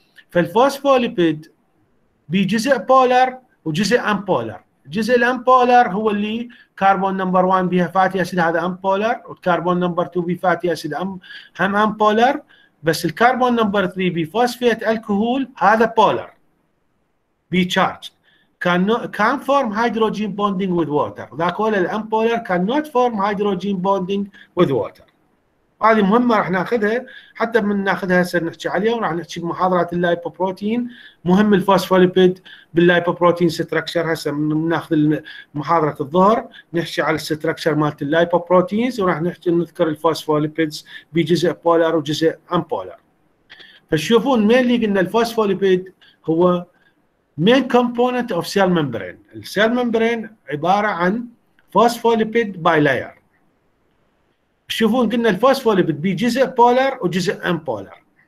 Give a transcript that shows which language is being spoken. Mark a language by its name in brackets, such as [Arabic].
[Arabic] فالفوسفوليبيد بجزء بولر وجزء امبولر. الجزء الامبولر هو اللي كربون نمبر 1 بها فاتي اسيد، هذا امبولر، والكربون نمبر 2 بها فاتي اسيد هم امبولر، بس الكربون نمبر 3 بفوسفيت الكحول هذا بولر بي تشارج. [English] Can form hydrogen bonding with water. [Arabic] ذاك هو الامبولر [English] cannot form hydrogen bonding with water. [Arabic] هذه مهمة راح ناخذها، حتى من ناخذها هسه نحكي عليها، وراح نحكي بمحاضرات اللايبوبروتين مهم الفوسفوليبيد باللايبوبروتين ستراكشر. هسه بناخذ محاضرة الظهر نحكي على الستراكشر مالت اللايبوبروتينز، وراح نحكي نذكر الفوسفوليبيدز بجزء بولر وجزء امبولر. فشوفون مين اللي قلنا الفوسفوليبيد هو [English] main component of cell membrane. The cell membrane [Arabic] عبارة عن [English] phospholipid bilayer. [Arabic] شوفون قلنا الفوسفوليبيد بي جزء بولر وجزء امبولر.